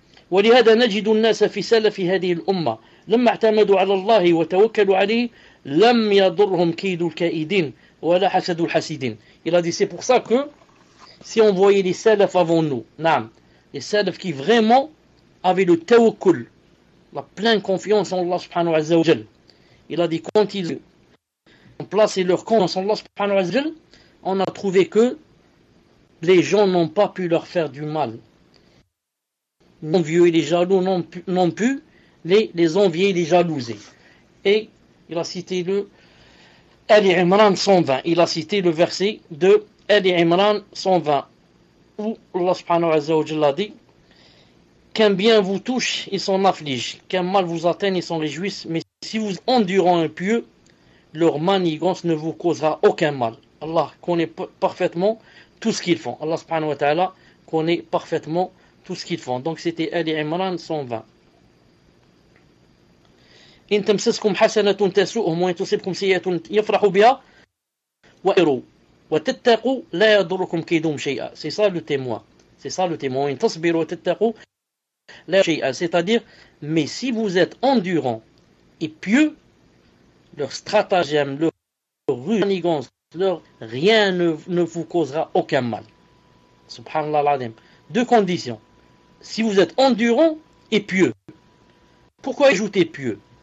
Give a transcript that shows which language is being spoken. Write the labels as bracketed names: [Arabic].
[Arabic] ولهذا نجد الناس في سلف هذه الأمة لما اعتمدوا على الله وتوكلوا عليه لم يضرهم كيد الكائدين ولا حسد الحسيدين. [French] Il a dit, c'est pour ça que si on voyait les salaf avant nous, نعم, les salaf qui vraiment avaient le tawakkul, la pleine confiance en Allah subhanahu wa ta'ala. Il a dit, quand ils ont placé leur confiance en Allah subhanahu wa ta'ala, on a trouvé que les gens n'ont pas pu leur faire du mal. Les envieux et les jaloux n'ont pu les envier et les jalouser. Et il a cité le Ali Imran 120. Il a cité le verset de Ali Imran 120 où Allah subhanahu wa ta'ala dit qu'un bien vous touche, ils s'en affligent. Qu'un mal vous atteigne, ils s'en réjouissent. Mais si vous endurez un pieux, leur manigance ne vous causera aucun mal. Allah connaît parfaitement tout ce qu'ils font. Allah subhanahu wa ta'ala connaît parfaitement tout ce qu'ils font. Donc c'était Ali Imran 120. [Arabic] إن تمسسكم حسنة تسؤهم وإن تصبكم سيئة يفرحوا بها وإروا وتتقوا لا يضركم كيدهم شيئا. [French] C'est ça le témoin. C'est ça le témoin. [Arabic] إن تصبروا وتتقوا لا يضركم شيئا. [French] C'est-à-dire, mais si vous êtes endurant et pieux, leur stratagème, leur manigance, leur rien ne vous causera aucun mal. Subhanallah l'adhim. Deux conditions. Si vous êtes endurant et pieux, pourquoi ajouter pieux?